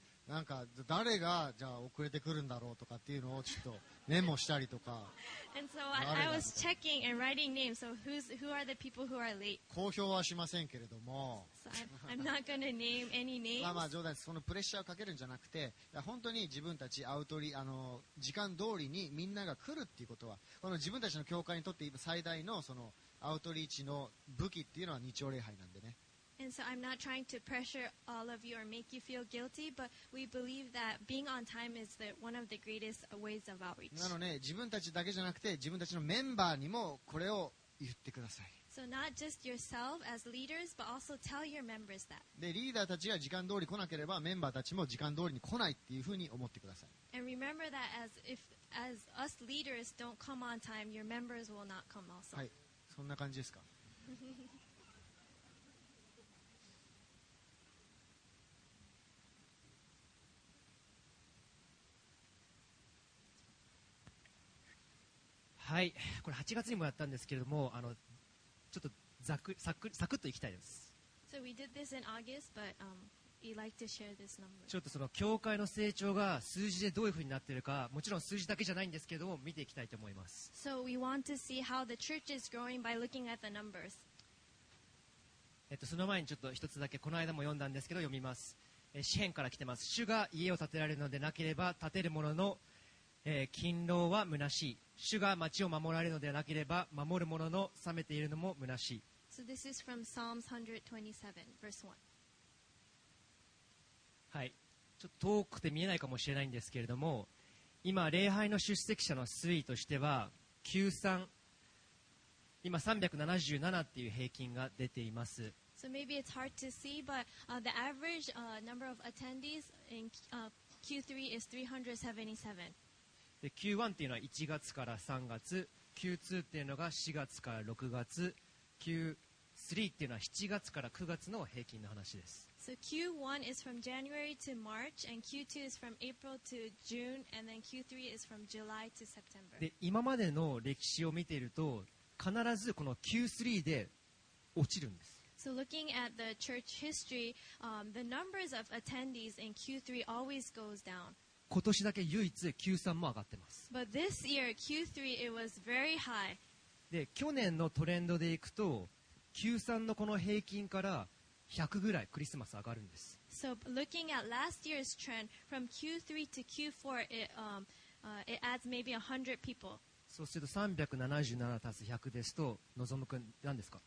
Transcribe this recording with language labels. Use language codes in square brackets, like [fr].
[ja] なんか誰がじゃあ遅れてくるんだろうとかっていうのをちょっとメモしたりとか。 [en] And so I was checking and writing names. So who are the people who are late? [ja] 公表はしませんけれども。 [en] So I'm not gonna name any names. [ja] まあまあ冗談です。そのプレッシャーをかけるんじゃなくて、本当に自分たちアウトリ時間通りにみんなが来るっていうことは、この自分たちの教会にとって最大のそのアウトリーチの武器っていうのは日曜礼拝なんでね。 [en] And so I'm not trying to pressure all of you or make you feel guilty, but we believe that being on time is the, one of the greatest ways of outreach. [ja] なので、自分たちだけじゃなくて、自分たちのメンバーにもこれを言ってください。 [en] So not just yourself as leaders, but also tell your members that. [ja] で、リーダーたちが時間通り来なければ、メンバーたちも時間通りに来ないっていうふうに思ってください。 [en] And remember that as us leaders don't come on time, your members will not come also. [ja] はい、そんな感じですか。はい、これ8月にもやったんですけれども、ちょっとサクッといきたいです。 [en] So we did this in August, but, we'd like to share this number. [ja] ちょっとその教会の成長が数字でどういうふうになっているか、もちろん数字だけじゃないんですけれども、見ていきたいと思います。 [en] So we want to see how the church is growing by looking at the numbers. [ja] その前にちょっと一つだけこの間も読んだんですけど、読みます。詩編から来てます。主が家を建てられるのでなければ建てるものの、勤労は虚しい。主が町を守られるのではなければ守る者の冷めているのも虚しい。 [en] So this is from Psalms 127, verse 1. [ja] はい、ちょっと遠くて見えないかもしれないんですけれども、今礼拝の出席者の推移としては93、今377っていう平均が出ています。 [en] So maybe it's hard to see, but the average number of attendees in Q3 is 377. [ja] で、Q1 っていうのは1月から3月、Q2 っていうのが4月から6月、Q3 っていうのは7月から9月の平均の話です。 [en] So Q1 is from January to March, and Q2 is from April to June, and then Q3 is from July to September. [ja] で、今までの歴史を見ていると、必ずこの Q3 で落ちるんです。 [en] So looking at the church history, the numbers of attendees in Q3 always goes down. [ja] 今年だけ唯一 Q3 も上がってます。 [en] But this year, Q3, it was very high. [ja] で、去年のトレンドでいくと Q3 のこの平均から100ぐらいクリスマス上がるんです。 [en] So looking at last year's trend from Q3 to Q4 it adds maybe 100 people. [ja] そうすると377足す100ですと、のぞむくん何ですか？